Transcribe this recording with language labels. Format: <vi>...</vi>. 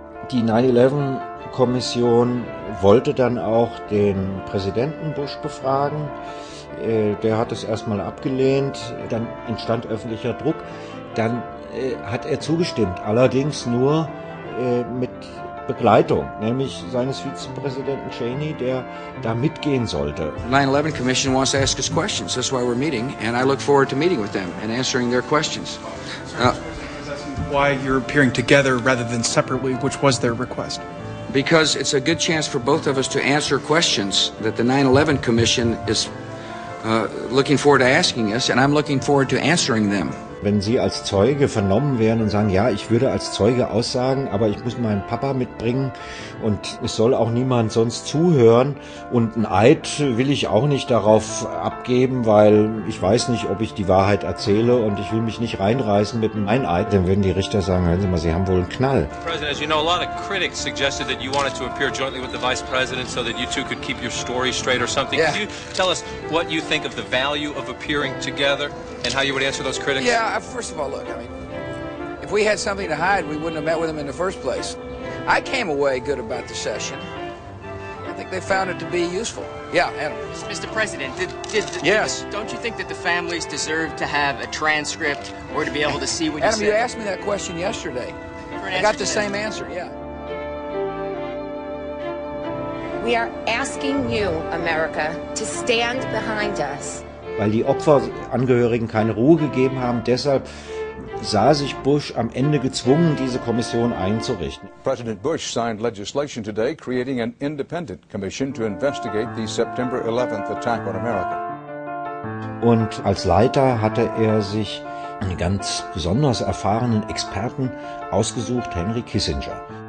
<de>Die 9/11 Kommission wollte dann auch den Präsidenten Bush befragen. Der hat es erstmal abgelehnt. Dann entstand öffentlicher Druck. Dann hat er zugestimmt, allerdings nur mit Begleitung, nämlich seines Vizepräsidenten Cheney, der da mitgehen sollte.</de> <en>9/11 Commission wants to ask us questions. That's why we're meeting, and I look forward to meeting with them and answering their questions. Why you're appearing together rather than separately, which was their request? Because it's a good chance for both of us to answer questions that the 9/11 Commission is looking forward to asking us, and I'm looking forward to answering them.</en> <de>Wenn Sie als Zeuge vernommen wären und sagen, ja, ich würde als Zeuge aussagen, aber ich muss meinen Papa mitbringen und es soll auch niemand sonst zuhören und ein Eid will ich auch nicht darauf abgeben, weil ich weiß nicht, ob ich die Wahrheit erzähle und ich will mich nicht reinreißen mit meinem Eid, dann würden die Richter sagen, hören Sie mal, Sie haben wohl einen Knall.</de> <en>President, as you know, a lot of critics suggested that you wanted to appear jointly with the Vice President so that you two could keep your story straight or something. Yeah. Could you tell us what you think of the value of appearing together? And how you would answer those critics? Yeah, first of all, look, I mean, if we had something to hide, we wouldn't have met with them in the first place. I came away good about the session. I think they found it to be useful. Yeah, Adam. Mr. President, yes. Don't you think that the families deserve to have a transcript or to be able to see what Adam, you said? Adam, you asked me that question yesterday. I got the same answer, yeah. We are asking you, America, to stand behind us.</en> <de>Weil die Opferangehörigen keine Ruhe gegeben haben. Deshalb sah sich Bush am Ende gezwungen, diese Kommission einzurichten.</de> <en>President Bush signed legislation today creating an independent commission to investigate the September 11th attack on America.</en> <de>Und als Leiter hatte er sich einen ganz besonders erfahrenen Experten ausgesucht, Henry Kissinger.</de>